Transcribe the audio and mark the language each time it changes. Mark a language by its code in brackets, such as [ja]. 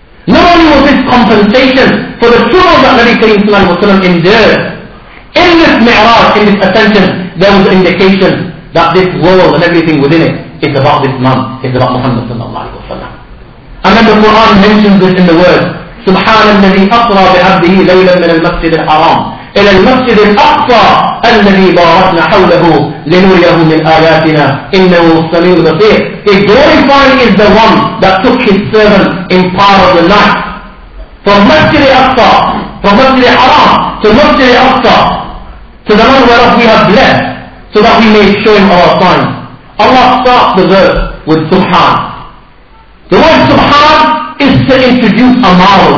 [en] Not only was this compensation for the trouble that Nabi Kareem sallallahu alayhi wa sallam endured, in this mi'raj, in this ascension, there was an indication that this world and everything within it is about this man, is about Muhammad sallallahu alayhi wa sallam. And then the Quran mentions this in the words, [ar] سبحان الذي أطرى بعبده ليلا من المسجد الحرام إلى المسجد الأقصى الذي باركنا حوله لنريه من آياتنا إنه السميع البصير. [en] He glorified is the one that took his servant in part of the night from Masjid al-Aqsa, from Masjid al-Haram to Masjid al-Aqsa, to the one whereof we have blessed, so that we may show him our signs. Allah starts the verse with Subhan. The word Subhan is to introduce a marvel.